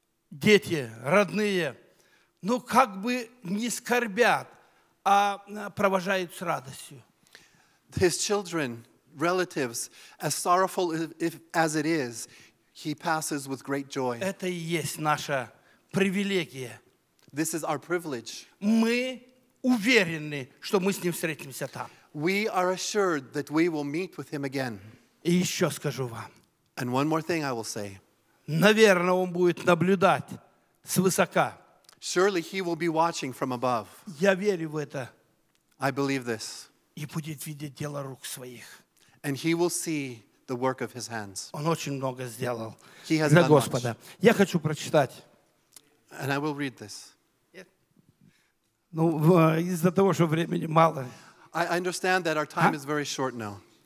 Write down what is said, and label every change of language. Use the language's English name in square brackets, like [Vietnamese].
[Russian] Дети, родные, ну как бы не скорбят, а провожают с радостью. [English] His children, relatives, as sorrowful as it is, he passes with great joy. [Russian] Это и есть наша привилегия. [English] This is our privilege. [Russian] Мы уверены, что мы с ним встретимся там. [English] We are assured that we will meet with him again. [Russian] И еще скажу вам. [English] And one more thing I will say. [Russian] Наверное, он будет наблюдать свысока. [English] Surely he will be watching from above. [Russian] Я верю в это. [English] I believe this. [Russian] И будет видеть дело рук своих. [English] And he will see the work of his hands. [Russian] Он очень много сделал для Господа. [English] Much. [Russian] Я хочу прочитать. [English] And I will read this. [Russian] Ну, из-за того, что времени мало. [English] I understand that our time is very short now.